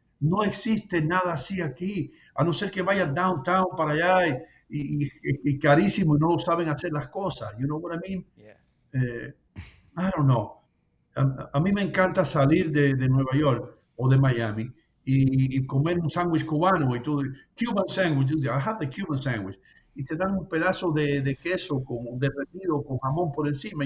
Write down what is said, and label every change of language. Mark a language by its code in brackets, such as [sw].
[es] No existe nada así aquí, a no ser que vayas downtown para allá y carísimo y no saben hacer las cosas. [en] You know what I mean? Yeah. I don't know. [es] A mí me encanta salir de Nueva York o de Miami y comer un sándwich cubano. Y tú, [en] Cuban sandwich, I have the Cuban sandwich. [es] Y te dan un pedazo de queso con derretido con jamón por encima.